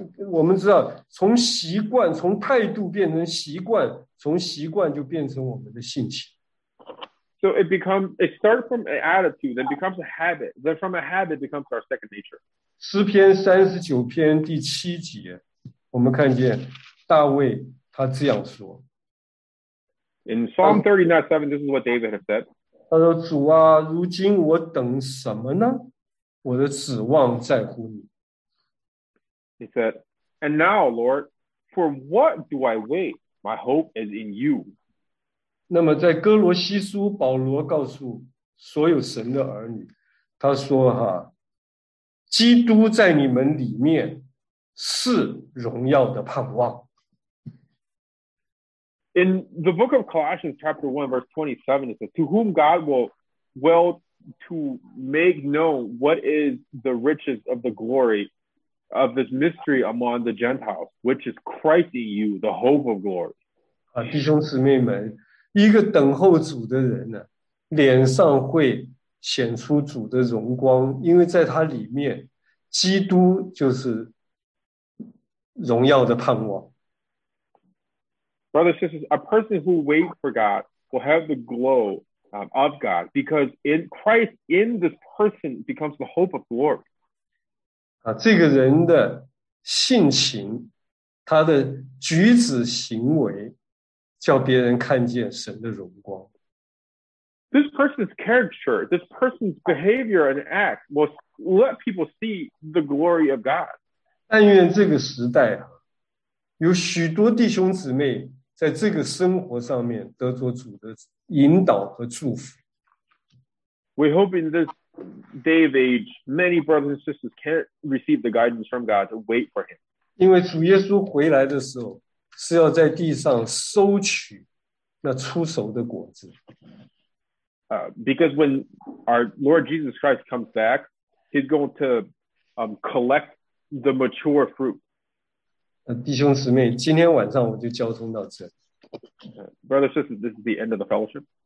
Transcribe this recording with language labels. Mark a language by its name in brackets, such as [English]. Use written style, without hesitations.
[Chinese] 我们知道，从习惯，从态度变成习惯，从习惯就变成我们的性情。 [English] So it starts from an attitude, then becomes a habit, then from a habit becomes our second nature. [Chinese] 诗篇三十九篇第七节，我们看见大卫他这样说。 [English] In Psalm 39:7, this is what David has said. [Chinese] 他说：“主啊，如今我等什么呢？我的指望在乎你。” [English] He said, "And now, Lord, for what do I wait? My hope is in you." [Chinese] 那么在哥罗西书，保罗告诉所有神的儿女，他说哈，基督在你们里面是荣耀的盼望。 [English] In the book of Colossians, chapter 1, verse 27, it says, "To whom God will to make known what is the riches of the glory of this mystery among the Gentiles, which is Christ in you, the hope of glory." [Chinese] 啊，弟兄姊妹们。一个等候主的人呢，脸上会显出主的荣光，因为在他里面，基督就是荣耀的盼望。 [English] Brothers and sisters, a person who waits for God will have the glow of God, because in Christ, in this person becomes the hope of glory. [Chinese] 啊，这个人的性情，他的举止行为。叫别人看见神的荣光。 [English] This person's character, this person's behavior and act will let people see the glory of God. [Chinese] 但愿这个时代啊，有许多弟兄姊妹在这个生活上面得着主的引导和祝福。 [English] We hope in this day of age, many brothers and sisters can receive the guidance from God to wait for Him. [Chinese] 因为主耶稣回来的时候。是要在地上收取那出熟的果子。 [English] Because when our Lord Jesus Christ comes back, He's going to collect the mature fruit. [Chinese] 弟兄姊妹，今天晚上我就交通到这。 [English] Brothers and sisters, this is the end of the fellowship.